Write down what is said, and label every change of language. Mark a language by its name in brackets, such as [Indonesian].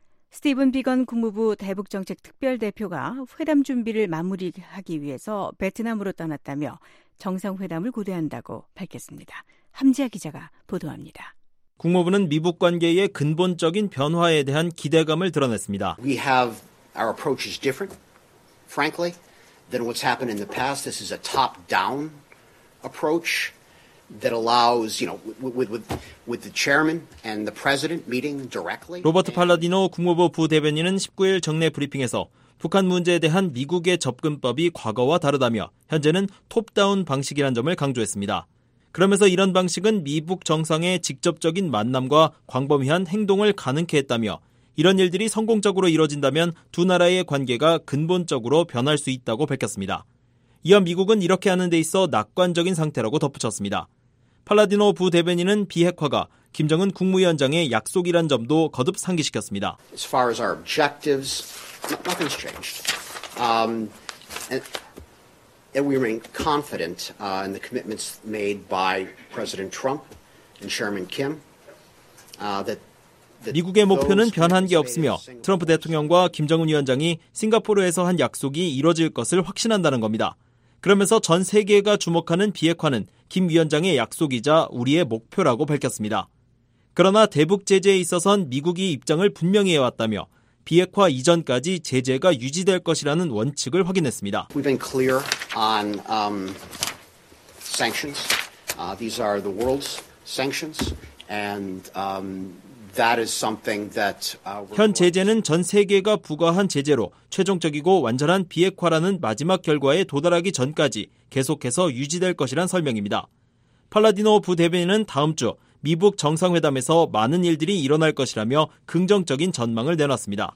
[Korean] 스티븐 비건 국무부 대북정책특별대표가 회담 준비를 마무리하기 위해서 베트남으로 떠났다며 정상회담을 고대한다고 밝혔습니다. 함지아 기자가 보도합니다. 국무부는 미북 관계의 근본적인 변화에 대한 기대감을 드러냈습니다. [English] We have our approach is different, frankly. Than what's happened in the past. This is a top-down approach that allows, you know, with the chairman and the president meeting directly. [Korean] 로버트 팔라디노 국무부 부대변인은 19일 정례 브리핑에서 북한 문제에 대한 미국의 접근법이 과거와 다르다며 현재는 톱다운 방식이란 점을 강조했습니다. 그러면서 이런 방식은 미북 정상의 직접적인 만남과 광범위한 행동을 가능케 했다며 이런 일들이 성공적으로 이뤄진다면 두 나라의 관계가 근본적으로 변할 수 있다고 밝혔습니다. 이어 미국은 이렇게 하는 데 있어 낙관적인 상태라고 덧붙였습니다. 팔라디노 부대변인은 비핵화가 김정은 국무위원장의 약속이란 점도 거듭 상기시켰습니다. [English] As far as our objectives, nothing's changed. And we remain confident in the commitments made by President Trump and Chairman Kim that [Korean] 미국의 목표는 변한 게 없으며 트럼프 대통령과 김정은 위원장이 싱가포르에서 한 약속이 이뤄질 것을 확신한다는 겁니다. 그러면서 전 세계가 주목하는 비핵화는 김 위원장의 약속이자 우리의 목표라고 밝혔습니다. 그러나 대북 제재에 있어선 미국이 입장을 분명히 해왔다며 비핵화 이전까지 제재가 유지될 것이라는 원칙을 확인했습니다. [English] We've been clear on sanctions. These are the world's sanctions and That is something that [Korean] 현 제재는 전 세계가 부과한 제재로 최종적이고 완전한 비핵화라는 마지막 결과에 도달하기 전까지 계속해서 유지될 것이란 설명입니다. 팔라디노 부대변인은 다음 주 미북 정상회담에서 많은 일들이 일어날 것이라며 긍정적인 전망을 내놨습니다.